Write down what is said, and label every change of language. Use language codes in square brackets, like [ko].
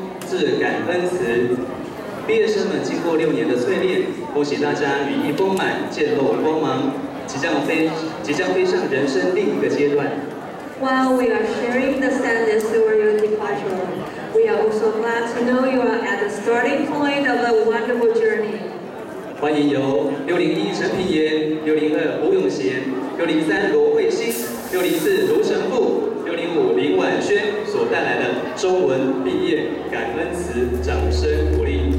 [zh] 毕业生们经过六年的淬炼，恭喜大家羽翼丰满，剑露光芒，即将飞上人生另一个阶段。 [en] While we are sharing the sadness over your departure, we are also glad to know you are at the starting point of a wonderful journey. [zh] 欢迎由601陈品言、602吴永贤、603罗慧欣、604卢成富、605林婉萱所带来的中文毕业感恩词，掌声鼓励。